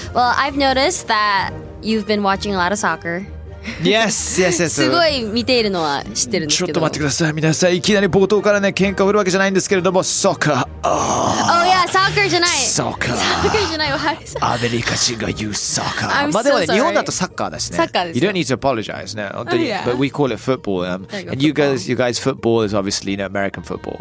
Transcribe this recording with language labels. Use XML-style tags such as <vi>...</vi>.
<en>Well, I've noticed that you've been watching a lot of soccer. Yes, yes, yes.</en> <ja>すごい見ているのは知ってるんですけど。ちょっと待ってください、皆さん。いきなり冒頭からね、喧嘩を売るわけじゃないんですけれども、ソッカー。</ja> <en>Oh, yeah, soccer</en> <ja>じゃない。ソッカー。ソッカーじゃないわ。アメリカ人が言うソッカー。</ja> <en>I'm so sorry.</en> <ja>まあでもね、日本だとサッカーだしね。サッカーです</ja> <en>ね。You don't need to apologize, no. Oh, yeah. But we call it football. And you guys, football is obviously, you know, American football.</en>